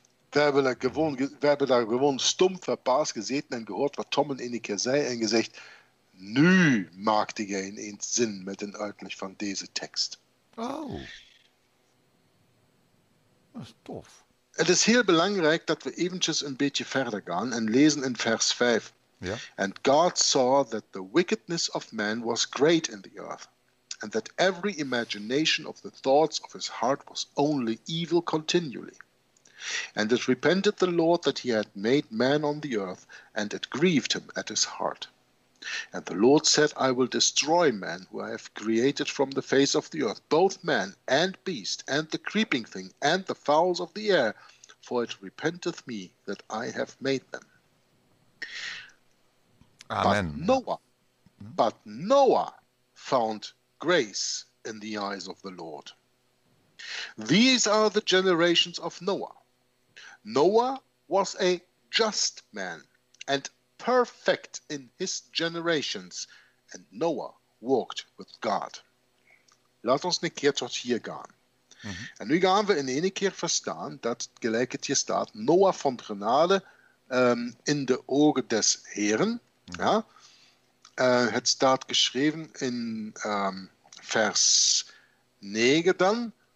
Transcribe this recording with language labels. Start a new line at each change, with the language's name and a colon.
Dutch: We hebben daar gewoon stom verbaasd gezeten en gehoord wat Tom een keer zei en gezegd, nu maakte jij ineens zin met een uitleg van deze tekst. Oh. Dat is tof. Het is heel belangrijk dat we eventjes een beetje verder gaan en lezen in vers 5.
English: Yeah. And God saw that the wickedness of man was great in the earth. And that every imagination of the thoughts of his heart was only evil continually. And it repented the Lord that he had made man on the earth, and it grieved him at his heart. And the Lord said, I will destroy man who I have created from the face of the earth, both man and beast, and the creeping thing, and the fowls of the air, for it repenteth me that I have made them. Amen. But Noah found grace in the eyes of the Lord. These are the generations of Noah. Noah was a just man and perfect in his generations, and Noah walked with God.
Dutch: Laat ons een keer tot hier gaan. Mm-hmm. En nu gaan we in een keer verstaan dat, gelijk het hier staat, Noah vond genade in de ogen des Heren. Mm-hmm. Ja? Het staat geschreven in vers 9 dan.